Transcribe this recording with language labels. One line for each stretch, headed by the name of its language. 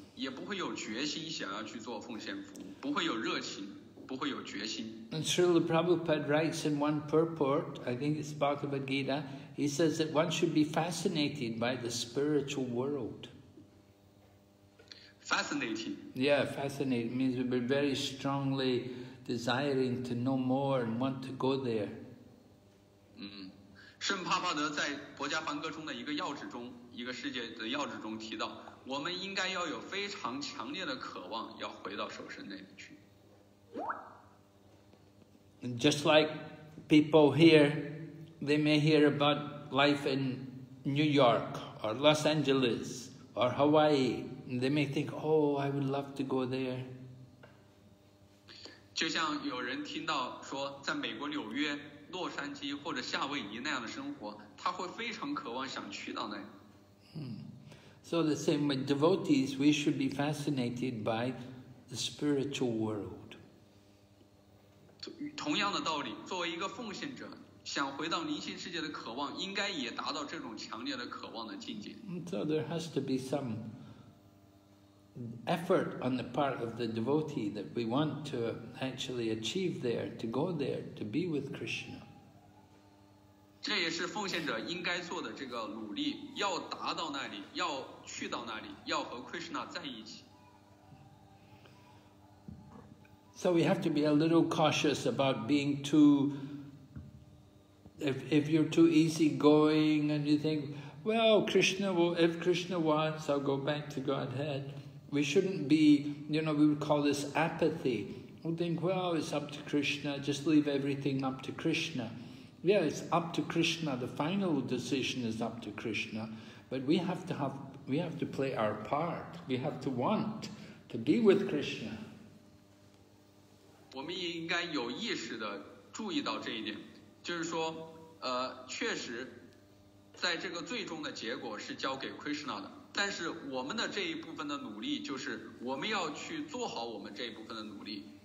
Chinese: 也不会有决心想要去做奉献服务，不会有热情，不会有决心。
English: And Srila Prabhupada writes in one purport, I think it's Bhagavad Gita, he says that one should be fascinated by the spiritual world. Fascinating. Yeah, fascinating means we're very strongly desiring to know more and want to go there.
Chinese: 圣帕帕德在《博迦梵歌》中的一个要旨中，一个世界的要旨中提到，我们应该要有非常强烈的渴望，要回到守身那里去。
English: And just like people here, they may hear about life in New York or Los Angeles or Hawaii, and they may think, "Oh, I would love to go there."
Chinese: 就像有人听到说，在美国纽约。洛杉矶或者夏威夷那样的生活，他会非常渴望想去到那里。
English: So the same with devotees, we should be fascinated by the spiritual world.
Chinese: 同样的道理，作为一个奉献者，想回到灵性世界的渴望，应该也达到这种强烈的渴望的境界。
English: So there has to be some effort on the part of the devotee that we want to actually achieve there, to go there, to be with Krishna.
Chinese: 这也是奉献者应该做的这个努力，要达到那里，要去到那里，要和 Krishna 在一起。
English: So we have to be a little cautious about being too, if you're too easygoing and you think, well, Krishna will, if Krishna wants, I'll go back to Godhead. We shouldn't be, you know, we would call this apathy. We think, well, it's up to Krishna, just leave everything up to Krishna. Yeah, it's up to Krishna, the final decision is up to Krishna. But we have to play our part. We have to want to be with Krishna.
Chinese: 我们也应该有意识地注意到这一点。就是说，确实在这个最终的结果是交给 Krishna 的。但是我们的这一部分的努力就是我们要去做好我们这一部分的努力。